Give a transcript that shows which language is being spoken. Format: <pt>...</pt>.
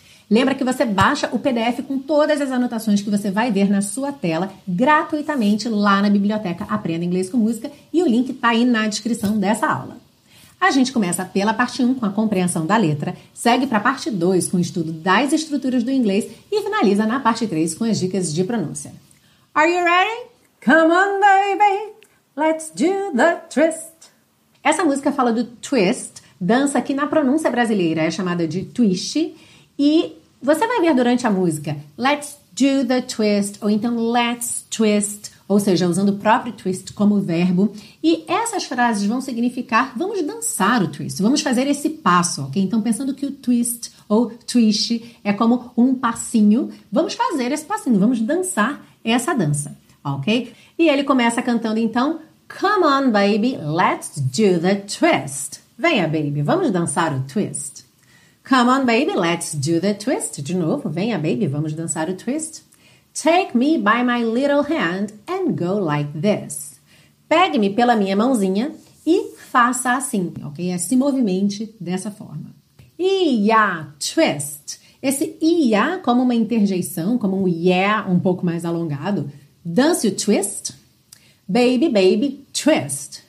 <pt>Lembra que você baixa o PDF com todas as anotações que você vai ver na sua tela gratuitamente lá na biblioteca Aprenda Inglês com Música, e o link tá aí na descrição dessa aula. A gente começa pela parte 1, com a compreensão da letra, segue para a parte 2, com o estudo das estruturas do inglês, e finaliza na parte 3, com as dicas de pronúncia.</pt> <en>Are you ready? Come on, baby, let's do the twist.</en> <pt>Essa música fala do twist, dança que na pronúncia brasileira é chamada de twist, e você vai ver durante a música,</pt> <en>let's do the twist,</en> <pt>ou então</pt> <en>let's twist,</en> <pt>ou seja, usando o próprio twist como verbo. E essas frases vão significar, vamos dançar o twist, vamos fazer esse passo, ok? Então, pensando que o twist ou twist é como um passinho, vamos fazer esse passinho, vamos dançar essa dança, ok? E ele começa cantando, então,</pt> <en>come on, baby, let's do the twist.</en> <pt>Venha, baby, vamos dançar o twist.</pt> <en>Come on, baby, let's do the twist.</en> <pt>De novo, venha, baby, vamos dançar o twist.</pt> <en>Take me by my little hand and go like this.</en> <pt>Pegue-me pela minha mãozinha e faça assim, ok? Esse movimento dessa forma. Ia, twist. Esse ia, como uma interjeição, como um yeah um pouco mais alongado. Dance o twist.</pt> <en>Baby, baby, twist.</en>